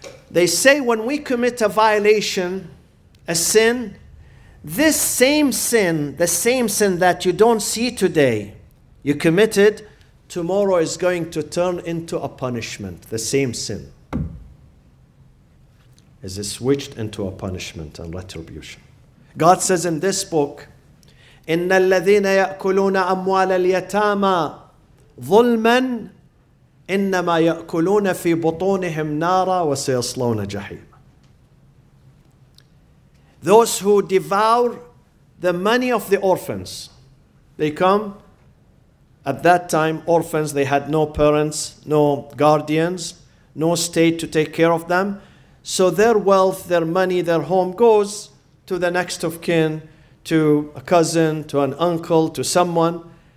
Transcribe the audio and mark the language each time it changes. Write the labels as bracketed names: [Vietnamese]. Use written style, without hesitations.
[English] They say when we commit a violation, a sin, this same sin, the same sin that you don't see today, you committed, tomorrow is going to turn into a punishment, the same sin. Is it switched into a punishment and retribution? God says in this book, [Arabic] إِنَّ الَّذِينَ يَأْكُلُونَ أَمْوَالَ الْيَتَامَى ظُلْمًا إِنَّمَا يَأْكُلُونَ فِي بُطُونِهِمْ نَارًا وَسَيَصْلَوْنَ جَحِيمًا. [English] Those who devour the money of the orphans, they come, at that time, orphans, they had no parents, no guardians, no state to take care of them. So their wealth, their money, their home goes to the next of kin, to a cousin, to an uncle, to someone.